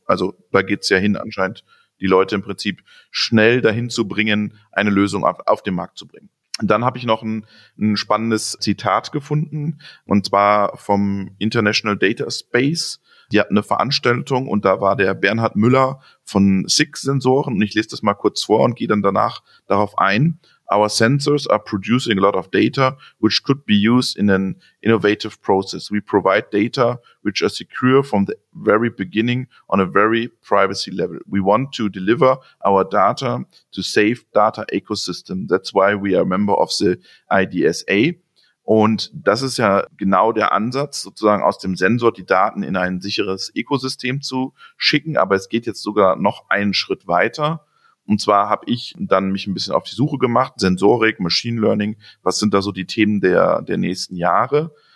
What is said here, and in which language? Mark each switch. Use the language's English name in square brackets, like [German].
[German] Also da geht's ja hin anscheinend, die Leute im Prinzip schnell dahin zu bringen, eine Lösung auf den Markt zu bringen. Und dann habe ich noch ein spannendes Zitat gefunden, und zwar vom International Data Space. Die hatten eine Veranstaltung und da war der Bernhard Müller von SIG Sensoren. Und ich lese das mal kurz vor und gehe dann danach darauf ein. [English] Our sensors are producing a lot of data, which could be used in an innovative process. We provide data, which are secure from the very beginning on a very privacy level. We want to deliver our data to safe data ecosystem. That's why we are a member of the IDSA. [German] Und das ist ja genau der Ansatz, sozusagen aus dem Sensor die Daten in ein sicheres Ökosystem zu schicken. Aber es geht jetzt sogar noch einen Schritt weiter. Und zwar habe ich dann mich ein bisschen auf die Suche gemacht, Sensorik, Machine Learning, was sind da so die Themen der nächsten Jahre?